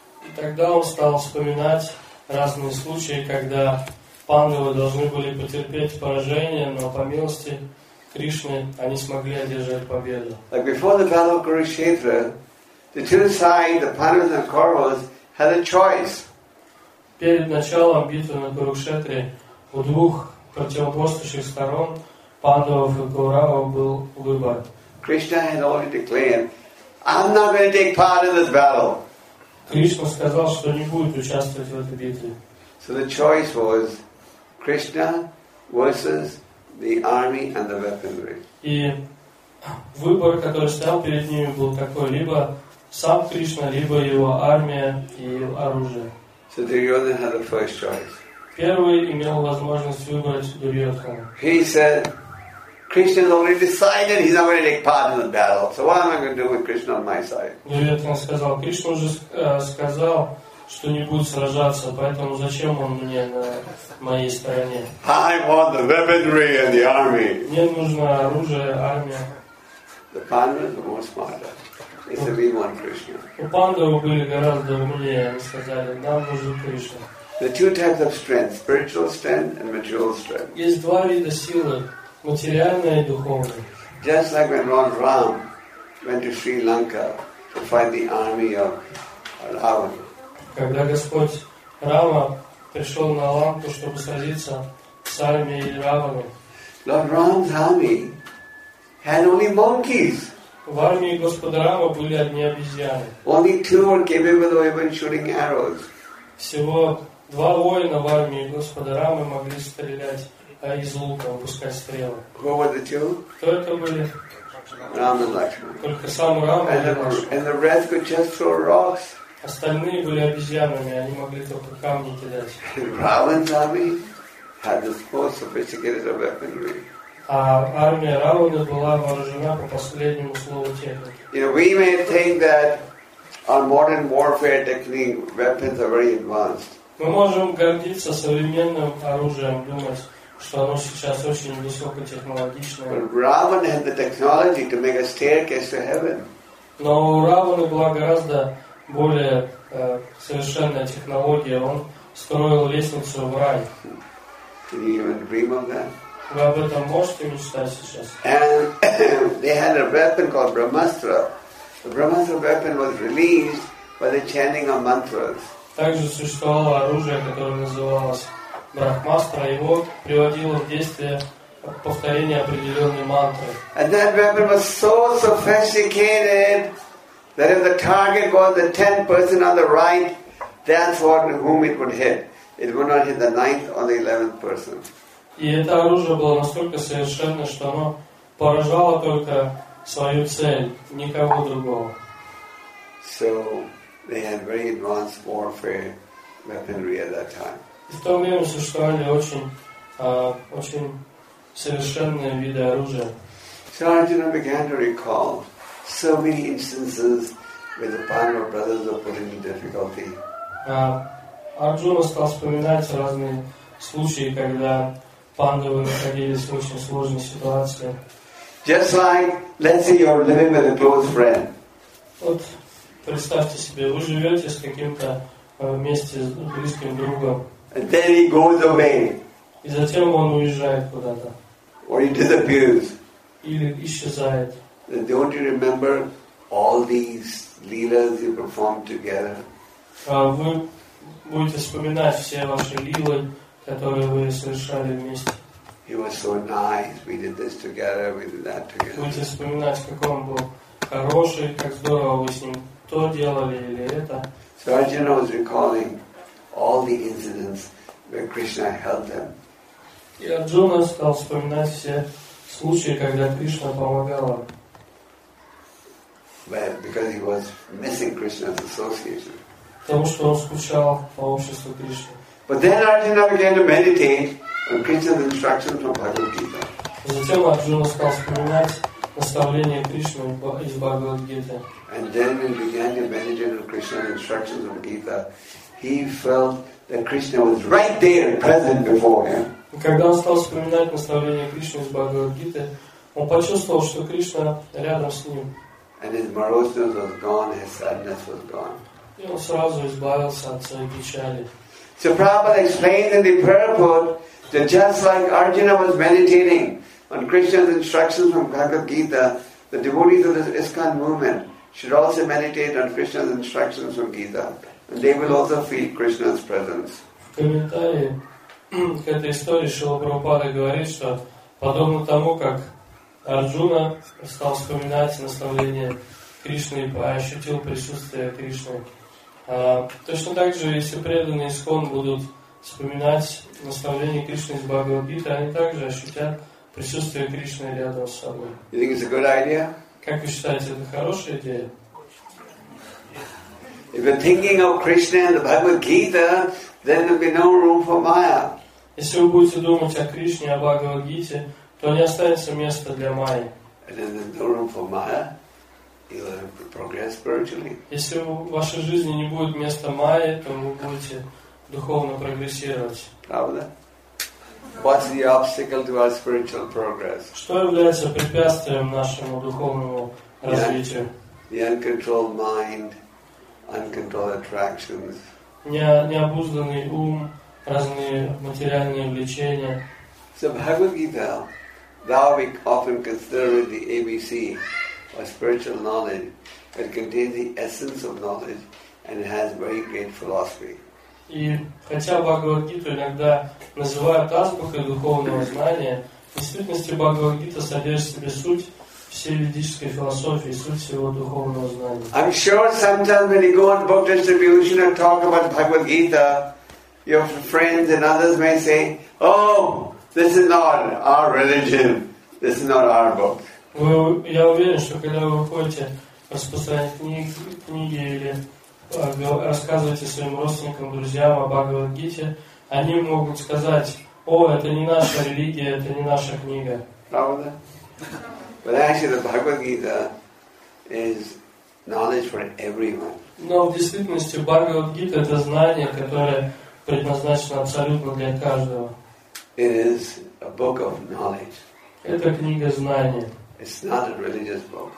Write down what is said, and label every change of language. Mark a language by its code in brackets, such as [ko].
[ru] И тогда он стал вспоминать разные случаи, когда Пандавы должны были потерпеть поражение, но по милости Кришны они смогли одержать победу. [en] Like before the battle of Kurukshetra, the two sides, the Pandavas and Kauravas, had a choice. [ru] Перед началом битвы на Курукшетре у двух противоборствующих сторон Пандавов и Кауравов был выбор. [en] Krishna had already declared, "I'm not going to take part in this battle." [ru] Кришна сказал, что не будет участвовать в этой битве. [en] So the choice was Krishna versus the army and the weaponry. [ru] И выбор, который стоял перед ними, был такой: либо сам Кришна, либо его армия и оружие. [en] So Duryodhan had the first choice. [ru] Первый имел возможность выбрать Дурьотхану. [en] He said, Krishna has already decided he's not going to take part in the battle. So what am I going to do with Krishna on my side? [ru] Дурьотхана сказал, Кришна уже сказал, что не будет сражаться, поэтому зачем он мне на моей стороне? [en] I want the weaponry and the army. [ru] Мне нужно оружие, армия. [en] The Pandavas were more smarter. They said, we want Krishna. [ru] У Пандавы были гораздо умнее, они сказали, нам нужен Кришна. [en] There are two types of strength, spiritual strength and material strength. [ru] Есть два вида силы. Материальная и духовная. [en] Just like when Lord Ram went to Sri Lanka to fight the army of Ravana. [ru] Когда Господь Рама пришел на Ланку, чтобы сразиться с армией Равана. [en] Lord Ram's army had only monkeys. [ru] В армии Господа Рама были одни обезьяны. [en] Only two were capable of even shooting arrows. [ru] Всего два воина в армии Господа Рамы могли стрелять. Из лука выпускать стрелы. [en] Who were the two? [ru] Кто это были? Рама и Лакшмана. Только сам Рама и Лакшмана. [en] And the rest could just throw rocks. [ru] Остальные были обезьянами, они могли только камни кидать. [en] Раван's army had the most sophisticated weaponry. [ru] А армия Равана была вооружена по последнему слову техники. [en] You know, we may think that our modern warfare technique weapons are very advanced. [ru] Мы можем гордиться современным оружием, думать, что оно сейчас очень высокотехнологичное. [en] But Ravan had the technology to make a staircase to heaven. [ru] Но у Равана была гораздо более совершенная технология. Он строил лестницу в рай. [en] Can you even dream of that? [ru] Вы об этом можете мечтать сейчас? [en] And they had a weapon called Brahmastra. The Brahmastra weapon was released by the chanting of mantras. [ru] Также существовало оружие, которое называлось Брахмастра, его приводило в действие повторение определенной мантры. [en] And that weapon was so sophisticated that if the target was the 10th person on the right, that's what whom it would hit. It would not hit the 9th or the 11th person. [ru] И это оружие было настолько совершенно, что оно поражало только свою цель, никого другого. [en] So they had very advanced warfare weaponry at that time. [ru] И в то время существовали очень совершенные виды оружия. [en] So Arjuna began to recall so many instances where the Pandava brothers were put into difficulty. [ru] Арджуна стал вспоминать разные случаи, когда Пандавы находились в очень сложной ситуации. [en] Just like, let's say you're living with a close friend. [ru] Вот представьте себе, вы живете с каким-то вместе с близким другом. [en] And then he goes away. [ru] И затем он уезжает куда-то. [en] Or he disappears. [ru] Или исчезает. [en] Don't you remember all these leelas you performed together? [ru] Вы будете вспоминать все ваши лилы, которые вы совершали вместе. [en] He was so nice. We did this together. We did that together. [ru] Будете вспоминать, как он был хороший, как здорово вы с ним то делали или это. [en] So Arjuna was recalling all the incidents where Krishna helped them. [ru] И Арджуна стал вспоминать все случаи, когда Кришна помогала. [en] But because he was missing Krishna's association. [ru] Потому что он скучал по обществу Кришны. [en] But then Arjuna began to meditate on Krishna's instructions from Bhagavad Gita. [ru] Затем Арджуна стал вспоминать наставления Кришны из Бхагавад Гиты. [en] And then when he began to meditate on Krishna's instructions from Gita, he felt that Krishna was right there, present before him. [ru] Когда он стал вспоминать наставления Кришны из Бхагавад Гиты, он почувствовал, что Кришна рядом с ним. [en] And his moroseness was gone, his sadness was gone. [ru] И он сразу избавился от своей печали. [en] So Prabhupada explained in the purport that just like Arjuna was meditating on Krishna's instructions from Bhagavad Gita, the devotees of the ISKCON movement should also meditate on Krishna's instructions from Gita, and they will also feel Krishna's presence. [ru] В комментарии к этой истории Шрила Прабхупада говорит, что подобно тому, как Арджуна стал вспоминать наставления Кришны и ощутил присутствие Кришны, точно так же, если преданные ИСККОН будут вспоминать наставления Кришны из Бхагавад Гиты, они также ощутят присутствие Кришны рядом с собой. [en] You think it's a good idea? [ru] Как вы считаете, это хорошая идея? [en] If you're thinking of Krishna and the Bhagavad Gita, then there'll be no room for Maya. [ru] Если вы будете думать о Кришне и о Бхагавад Гите, то не останется места для Майи. [en] And then there's no room for Maya. You'll progress spiritually. [ru] Если в вашей жизни не будет места Майи, то вы будете духовно прогрессировать. Правда? [en] What's the obstacle to our spiritual progress? [ru] Что является препятствием нашему духовному развитию? [en] The uncontrolled mind, uncontrolled attractions. [ru] Необузданный ум, разные материальные влечения. [en] So Bhagavad Gita, though we often consider it the ABC of spiritual knowledge, it contains the essence of knowledge and it has very great philosophy. [ru] И хотя Бхагавад-гиту иногда называют азбукой духовного знания, в действительности Бхагавад-гита содержит в себе суть всей ведической философии, суть всего духовного знания. [en] I'm sure sometimes when you go on book distribution and talk about Bhagavad-гита, your friends and others may say, "Oh, this is not our religion. This is not our book." [ru] Я уверен, что когда вы выходите распространять книги или рассказывайте своим родственникам, друзьям о Бхагавад-гите, они могут сказать: «О, это не наша религия, это не наша книга». Правда? [en] But actually, the Bhagavad-gita is knowledge for everyone. [ru] Но в действительности Бхагавад-гита — это знание, которое предназначено абсолютно для каждого. [en] It is a book of knowledge. [ru] Это книга знания. [en] It's not a religious book.